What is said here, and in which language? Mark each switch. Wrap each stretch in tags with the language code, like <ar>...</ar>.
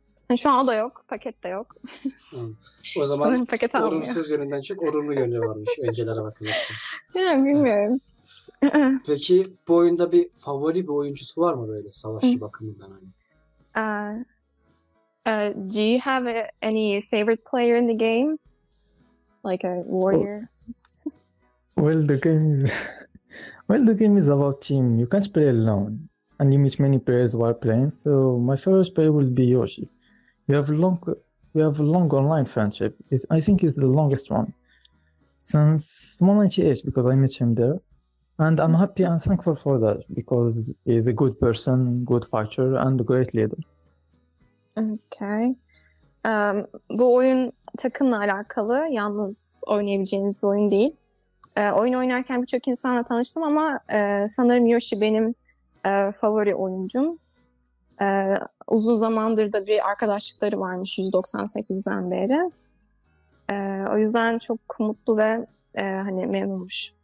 <tr>Yani şu an o da yok, paket de yok. Anladım. O zaman Sanırım paket almıyor. olumsuz yönünden çok olumlu yönü varmış öncelere bakılırsa. Bilmiyorum. Peki bu oyunda bir favori bir oyuncusu var mı böyle savaşçı bakımından hani?</tr> <en>Do you have any favorite player in the game? Like a warrior? Well, the game is about team. You can't play alone. And you meet many players while playing. So my first player will be Yoshi. We have a long online friendship. I think it's the longest one since 198 because I met him there. And I'm happy and thankful for that because he's a good person, good fighter, and a great leader. Okay.</en> <tr>Bu oyun takımla alakalı, yalnız oynayabileceğiniz bir oyun değil. Oyun oynarken birçok insanla tanıştım ama sanırım Yoshi benim favori oyuncum. Uzun zamandır da bir arkadaşlıkları varmış 198'den beri. O yüzden çok mutlu ve hani memnunmuş</tr>